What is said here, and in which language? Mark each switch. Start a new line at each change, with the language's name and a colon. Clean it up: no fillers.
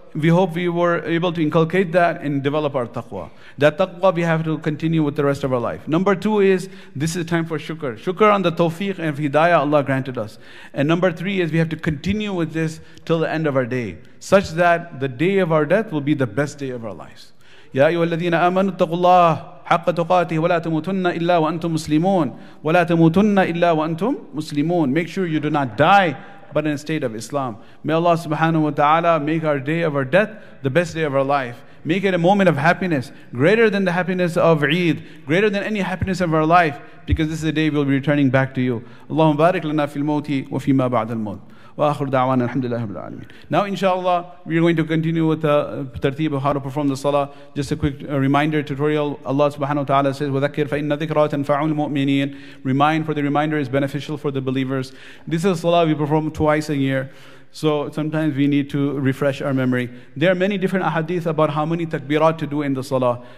English: We hope we were able to inculcate that and develop our taqwa. That taqwa we have to continue with the rest of our life. Number two is, this is time for shukr. Shukr on the tawfiq and hidayah Allah granted us. And number three is, we have to continue with this till the end of our day, such that the day of our death will be the best day of our lives.
Arabic: يا أيها الذين آمنوا اتقوا الله حق تقاته ولا تموتن إلا وأنتم مسلمون ولا تموتن إلا وأنتم مسلمون.
English: Make sure you do not die but in a state of Islam. May Allah subhanahu wa ta'ala make our day of our death the best day of our life. Make it a moment of happiness greater than the happiness of Eid, greater than any happiness of our life, because this is the day we'll be returning back to you.
Arabic: اللهم بارك لنا في الموت وفيما بعد الموت.
English: Now inshallah, we are going to continue with the tartib of how to perform the salah. Just a quick reminder tutorial. Allah subhanahu wa ta'ala says,
Arabic: وَذَكِّرْ فَإِنَّ ذِكْرَا تَنْفَعُ الْمُؤْمِنِينَ.
English: Remind, for the reminder is beneficial for the believers. This is a salah we perform twice a year. So sometimes we need to refresh our memory. There are many different ahadith about how many takbirat to do in the salah.